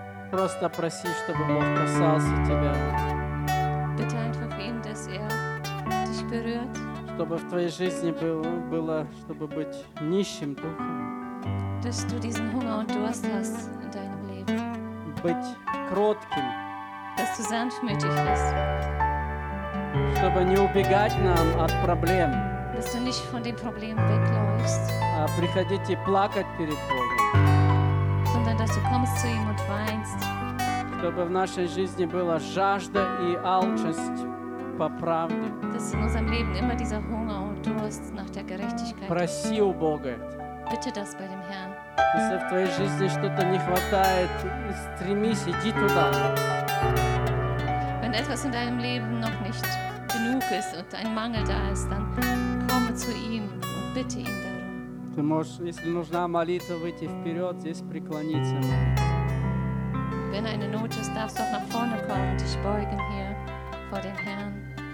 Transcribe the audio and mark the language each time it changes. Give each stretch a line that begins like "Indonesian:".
Russian: Просто проси, чтобы Бог касался тебя.
German: Bitte einfach ihn, dass dich berührt.
Russian: Чтобы в твоей жизни было, чтобы быть нищим духом.
German: Dass du diesen Hunger und Durst hast in deinem Leben.
Russian: Быть кротким.
German: Dass du sanftmütig bist.
Russian: Чтобы не убегать нам от проблем.
German: Dass du nicht von den Problemen wegläufst.
Russian: А приходить и плакать перед Богом.
German: Sondern dass du kommst zu ihm und weinst.
Russian: Чтобы в нашей жизни была жажда и алчность по правде.
German: Dass in unserem Leben immer dieser Hunger und Durst nach der Gerechtigkeit.
Russian: Проси у Бога.
German: Bitte das bei dem Herrn.
Russian: Если в твоей жизни что-то не хватает, стремись, иди туда.
German: Wenn etwas in deinem Leben noch nicht genug ist und ein Mangel da ist, dann komme zu ihm und bitte ihn darum.
Russian: Ты можешь, если нужна молитва, выйти вперед, здесь преклониться.
German: Wenn eine Not ist, darfst du auch nach vorne kommen und dich beugen hier vor dem Herrn.